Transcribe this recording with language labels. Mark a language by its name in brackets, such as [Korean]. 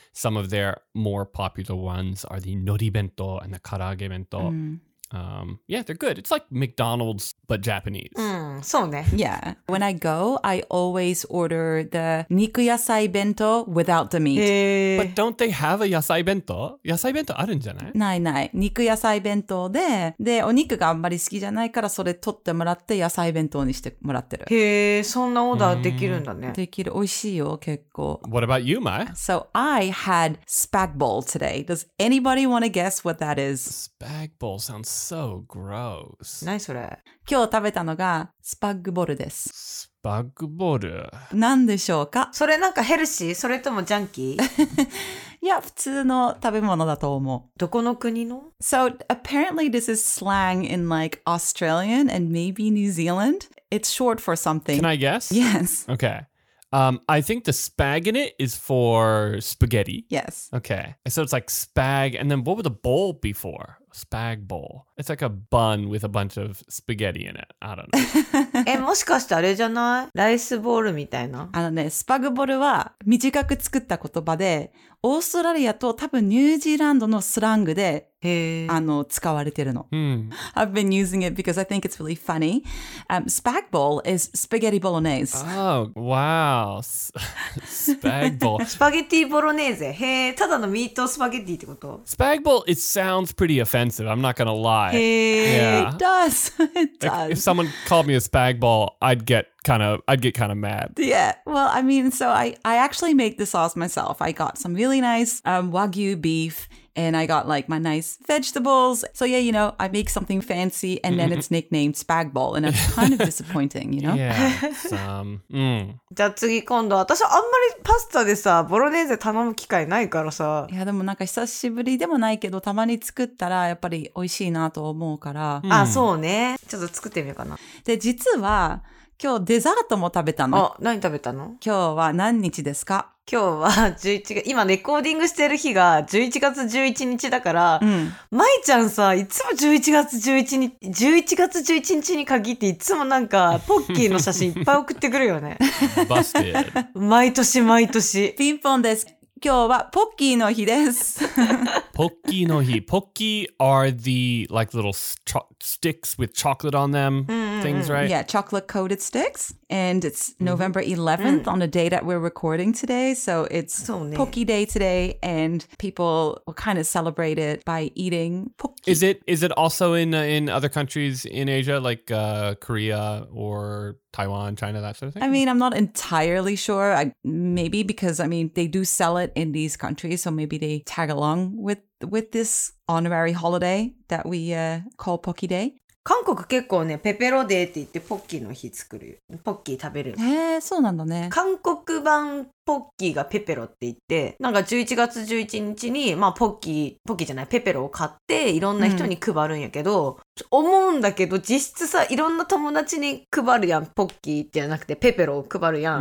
[English] Some of their more popular ones are the nori bento and the karaage bento. Yeah, they're good. It's like McDonald's, but Japanese. [Japanese] そうね。 [English] Yeah. When I go, I always order the 肉野菜弁当 without the meat. But don't they have a 野菜弁当? [Japanese] 野菜弁当あるんじゃない? ないない。肉野菜弁当で、で、お肉があんまり好きじゃないから、それ取ってもらって野菜弁当にしてもらってる。へえ、そんなオーダーできるんだね。できる。美味しいよ、結構。 [English] What about you, Mai? So I had spag bol today. Does anybody want to guess what that is? Spag bol sounds so gross. [Japanese] 何それ? 今日食べたのがスパッグボールです。スパッグボール? 何でしょうか? それなんかヘルシー?それともジャンキー? や、普通の食べ物だと思う。どこの国の? [English] So apparently this is slang in like Australian and maybe New Zealand. It's short for something. Can I guess? Yes. Okay. I think the spag in it is for spaghetti. Yes. Okay. So it's like spag. And then what would the bowl be for? Spag bowl. It's like a bun with a bunch of spaghetti in it. I don't know. [Japanese] え、もしかしてあれじゃない?ライスボールみたいな? あのね、スパグボールは短く作った言葉で、オーストラリアと多分ニュージーランドのスラングで、あの、使われてるの。 Hmm. [English] I've been using it because I think it's really funny. Spag bowl is spaghetti bolognese. Oh, wow. Spag bowl. Spaghetti bolognese. [Japanese] へー、ただのミートスパゲッティってこと? [English] Spag bowl, it sounds pretty offensive. I'm not gonna lie. Yeah. It does. If someone called me a spag bowl, I'd get kind of mad. Yeah. Well, I mean, so I actually make the sauce myself. I got some really nice Wagyu beef. And I got like my nice vegetables. So yeah, you know, I make something fancy and then it's nicknamed spag bowl. And it's kind of disappointing, you know? Yeah, [Japanese] じゃあ次今度。私あんまりパスタでさ、ボロネーゼ頼む機会ないからさ。いやでもなんか久しぶりでもないけど、たまに作ったらやっぱり美味しいなと思うから。あ、そうね。ちょっと作ってみようかな。で、実は今日デザートも食べたの。あ、何食べたの? 今日は何日ですか? 今日は11月、今レコーディングしてる日が11月11日だから、舞、うん、ちゃんさ、いつも11月11日に限っていつもなんかポッキーの写真いっぱい送ってくるよね。 [English] Busted. [Japanese] 毎年毎年。ピンポンです。今日はポッキーの日です。ポッキーの日。 [English] ポッキー are the like little sticks with chocolate on them. Things, right? Yeah, chocolate coated sticks. And it's November 11th on the day that we're recording today. So it's Pocky Day today. And people will kind of celebrate it by eating Pocky. Is it also in other countries in Asia, like Korea or Taiwan, China, that sort of thing? I mean, I'm not entirely sure. Maybe because, I mean, they do sell it in these countries. So maybe they tag along with this honorary holiday that we call Pocky Day. [Japanese] 韓国結構ね、ペペロデーって言ってポッキーの日作るよ。ポッキー食べる。へえ、そうなんだね。韓国版ポッキーがペペロって言って、なんか11月11日に、まあポッキーじゃない、ペペロを買って、いろんな人に配るんやけど、うん、思うんだけど、実質さ、いろんな友達に配るやん、ポッキーじゃなくてペペロを配るやん。